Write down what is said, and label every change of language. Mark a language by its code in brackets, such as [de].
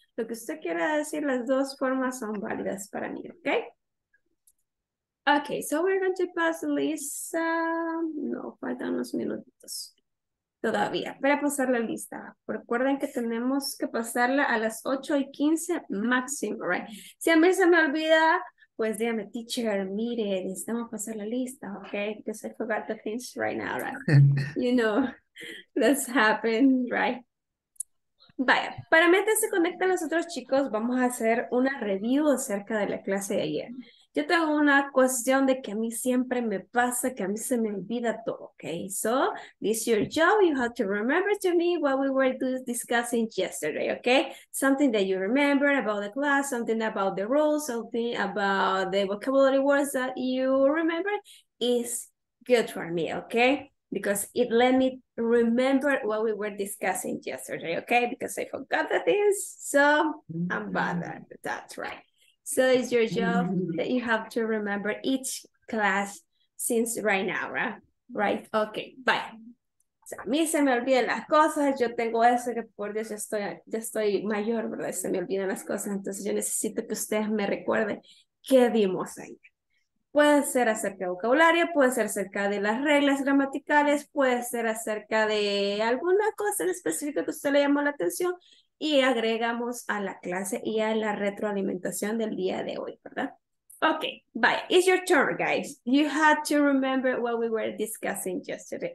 [es] Lo que usted quiera decir, las dos formas son válidas para mí, ¿ok? [en] Ok, so we're going to pass the list. [es] No, faltan unos minutitos todavía para pasar la lista. Recuerden que tenemos que pasarla a las 8:15 máximo, ¿right? Si a mí se me olvida, pues dígame, teacher, mire, necesitamos pasar la lista, ¿ok? [en] Because I forgot the things right now, right? You know, that's happened, right? [es] Vaya, para mientras se conectan los otros chicos, vamos a hacer una review acerca de la clase de ayer. Yo tengo una cuestión de que a mí siempre me pasa, que a mí se me olvida todo, ¿ok? [en] So, this is your job, you have to remember to me what we were discussing yesterday, ¿ok? Something that you remember about the class, something about the rules, something about the vocabulary words that you remember is good for me, ¿ok? Because it let me remember what we were discussing yesterday, okay? Because I forgot the things, so I'm bothered. That's right. So it's your job that you have to remember each class since right now, right? Right? Okay, bye. [es] So, a mí se me olvidan las cosas. Yo tengo eso que por Dios ya estoy mayor, ¿verdad? Se me olvidan las cosas. Entonces yo necesito que ustedes me recuerden qué vimos ahí. Puede ser acerca de vocabulario, puede ser acerca de las reglas gramaticales, puede ser acerca de alguna cosa en específico que usted le llamó la atención y agregamos a la clase y a la retroalimentación del día de hoy, ¿verdad? [en] Okay, bye. It's your turn, guys. You had to remember what we were discussing yesterday.